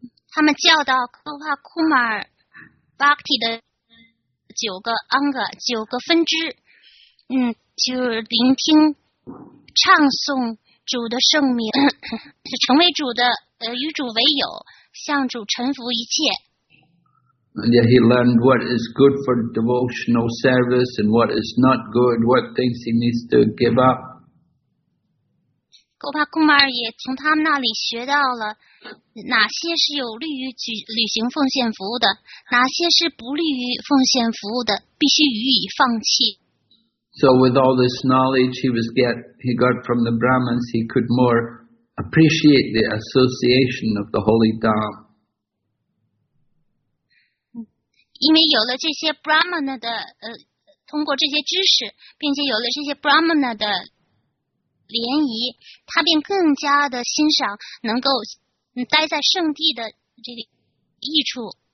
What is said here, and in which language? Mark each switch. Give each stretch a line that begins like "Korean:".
Chinese: 他们教导 Gopal Kumar Bhakti 的九个安格，九个分支，就是聆听、唱诵主的圣名，成为主的与主为友，向主臣服一切。
English: And yet he learned what is good for devotional service and what is not good, what things he needs to give up.
Chinese: Gopal Kumar 也从他们那里学到了。哪些是有利于履行奉献服务的，哪些是不利于奉献服务的，必须予以放弃。
English: So with all this knowledge he got from the Brahmins, he could more appreciate the association of the Holy Dhamma.
Chinese: 因为有了这些 Brahmana 的通过这些知识，并且有了这些 Brahmana 的联谊，他便更加的欣赏能够待在圣地的这个益处。